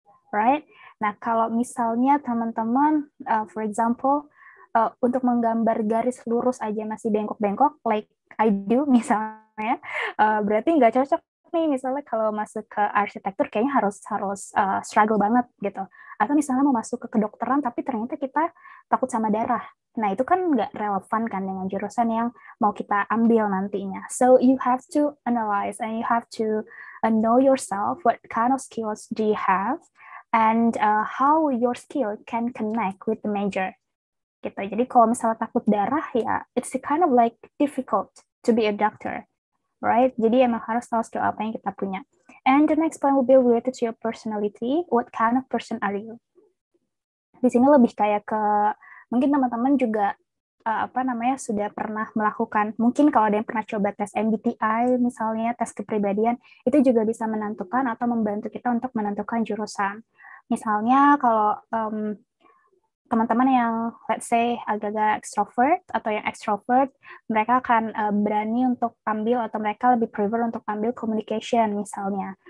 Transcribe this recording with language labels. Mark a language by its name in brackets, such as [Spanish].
[Indonesian] Right? Nah, kalau misalnya teman-teman, for example, untuk menggambar garis lurus aja masih bengkok-bengkok, [English] like I do [Indonesian] misalnya, berarti nggak cocok nih misalnya kalau masuk ke arsitektur kayaknya harus struggle banget gitu. Atau misalnya mau masuk ke kedokteran tapi ternyata kita takut sama darah. Nah, itu kan nggak relevan kan dengan jurusan yang mau kita ambil nantinya. [English] So, you have to analyze and you have to know yourself what kind of skills do you have. And how your skill can connect with the major. [Indonesian] Gitu. Jadi kalau misalnya takut darah, ya [English] it's kind of like difficult to be a doctor, right? [Indonesian] Jadi emang harus tahu skill apa yang kita punya. [English] And the next point will be related to your personality. What kind of person are you? [Indonesian] Di sini lebih kayak ke, mungkin teman-teman juga sudah pernah melakukan, mungkin kalau ada yang pernah coba tes MBTI misalnya, tes kepribadian, itu juga bisa menentukan atau membantu kita untuk menentukan jurusan. Misalnya kalau teman-teman yang let's say agak-agak extrovert atau yang extrovert, mereka akan berani untuk ambil atau mereka lebih prefer untuk ambil communication misalnya.